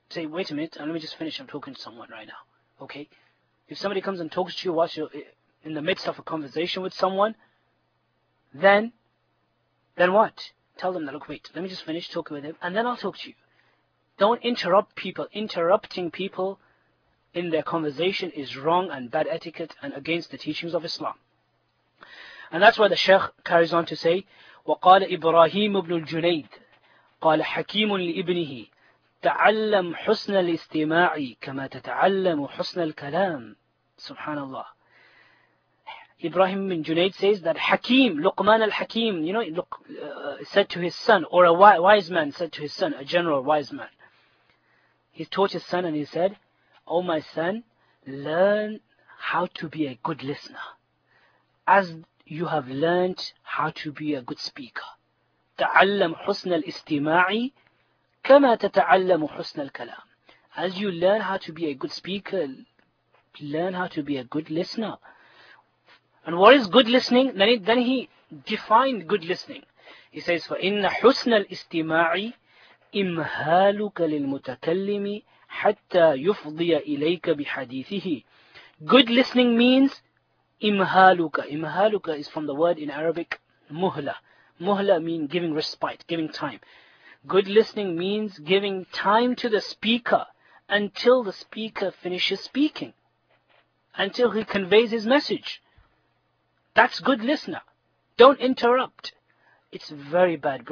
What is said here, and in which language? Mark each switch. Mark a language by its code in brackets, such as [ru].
[en] Say, wait a minute, and let me just finish, I'm talking to someone right now, okay? If somebody comes and talks to you while you're in the midst of a conversation with someone, then what? Tell them that, look, wait, let me just finish talking with him, and then I'll talk to you. Don't interrupt people. Interrupting people in their conversation is wrong and bad etiquette and against the teachings of Islam. And that's why the Shaykh carries on to say, [ar] وَقَالَ إِبْرَاهِيمُ بْنُ الْجُنَيْدِ قَالَ حَكِيمٌ لِإِبْنِهِ تعلم حسن الاستماع كما تتعلم حسن الكلام. Subhanallah. [en] Ibrahim bin Junaid says that Hakim, Luqman al-Hakim, you know, said to his son, or a wise man said to his son, a general wise man. He taught his son and he said, "Oh my son, learn how to be a good listener, as you have learned how to be a good speaker. [ar] تعلم حسن الاستماع كما تتعلم حسن الكلام." [en] As you learn how to be a good speaker, learn how to be a good listener. And what is good listening? Then he defined good listening. He says, [ar] فَإِنَّ حُسْنَ الْإِسْتِمَاعِ إِمْهَالُكَ لِلْمُتَكَلِّمِ حَتَّى يُفْضِيَ إِلَيْكَ بِحَدِيثِهِ. [en] Good listening means إِمْهَالُكَ. إِمْهَالُكَ is from the word in Arabic, مُهْلَ. مُهْلَ means giving respite, giving time. Good listening means giving time to the speaker until the speaker finishes speaking, until he conveys his message. That's good listener. Don't interrupt. It's very bad.